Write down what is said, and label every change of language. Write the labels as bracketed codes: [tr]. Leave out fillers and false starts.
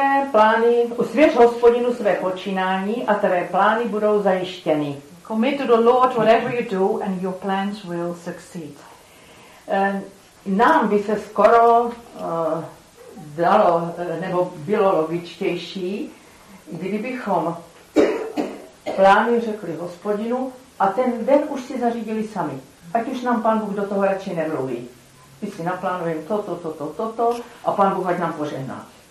[cs] Plány, usvěř Hospodinu své počínání a tvé plány budou zajištěny. [en] Commit to the Lord whatever you do and your plans will succeed. [cs] Nám by se skoro dalo, nebo bylo logičtější, kdybychom plány řekli Hospodinu, a ten den už si zařídili sami. Ať už nám Pán Bůh do toho radši nemluví. My si naplánujeme toto a Pán Bůh ať nám požehná.